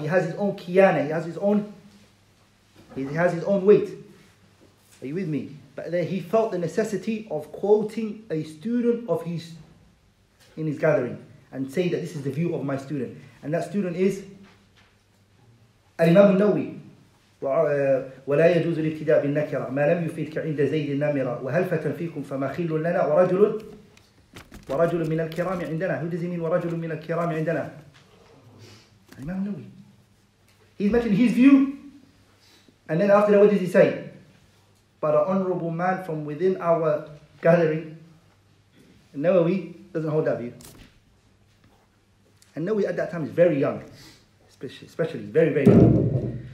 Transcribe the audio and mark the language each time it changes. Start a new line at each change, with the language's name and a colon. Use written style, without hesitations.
English: He has his own kiyana, he has his own weight. Are you with me? But then he felt the necessity of quoting a student of his in his gathering and say that this is the view of my student. And that student is Imam Nawawi.
Arabic: ولا يجوز الابتداء بالنكرة ما لم يفيدك عند زيد النمرة وهل فتن فيكم فما خل لنا ورجل من الكرام عندنا.
English: Who does he mean,
Arabic: ورجل من الكرام عندنا؟
English: Imam Nawawi. He's mentioning his view, and then after that, what does he say? But an honorable man from within our gathering, Nawawi, doesn't hold that view. And Nawawi at that time is very young, especially very, very young.